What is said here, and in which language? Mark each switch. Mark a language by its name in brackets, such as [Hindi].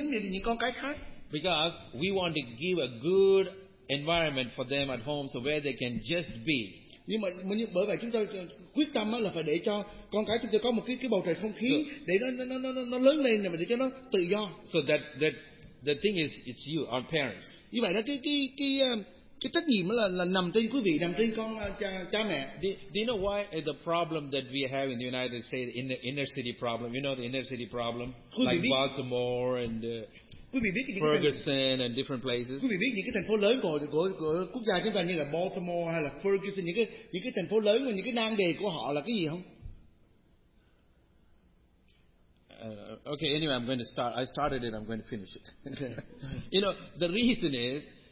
[English] Because we want to give a good environment for them at home so where they can just be. [Vietnamese] Nhưng mà bởi vậy chúng ta quyết tâm là phải để cho con cái chúng ta có một cái bầu trời không khí để nó lớn lên và để cho nó tự do. [English] So that the thing is, it's you, our parents. [Vietnamese] Như vậy đó cái trách nhiệm là nằm trên quý vị, nằm trên con cha mẹ. [English] Do you know why the problem that we have in the United States, in the inner city problem, you know the inner city problem, like Baltimore and Ferguson and different places. [Vietnamese] Quý vị biết những cái thành phố lớn của quốc gia chúng ta như là Baltimore hay là Ferguson, những cái thành phố lớn và những cái nan đề của họ là cái gì không? [English] Okay, anyway, I'm going to start. I started it. I'm going to finish it. You know, the reason is